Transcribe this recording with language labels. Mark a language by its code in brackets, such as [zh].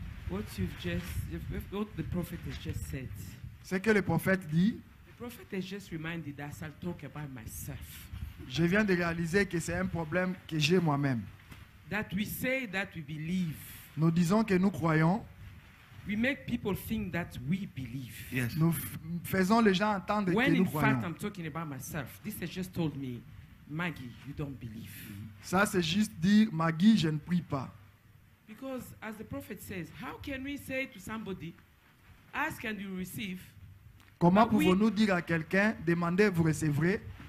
[en] What you've just, what the prophet has just said. [fr] C'est que le prophète dit. [en] Prophet has just reminded us, I'll talk about myself. [fr] Je viens de réaliser que c'est un problème que j'ai moi-même. [en] That we say that we believe. [fr] Nous disons que nous croyons. [en] We make people think that we believe. Yes. [fr] Nous faisons les gens entendre [en] when [fr] que nous croyons. [en] When in fact I'm talking about myself, this has just told me, Maggie, you don't believe. [fr] Ça c'est juste dire, Maggie, je ne prie pas. [en] Because as the prophet says, how can we say to somebody, ask and you receive? [fr] Comment pouvons-nous dire à quelqu'un, demandez, vous recevrez?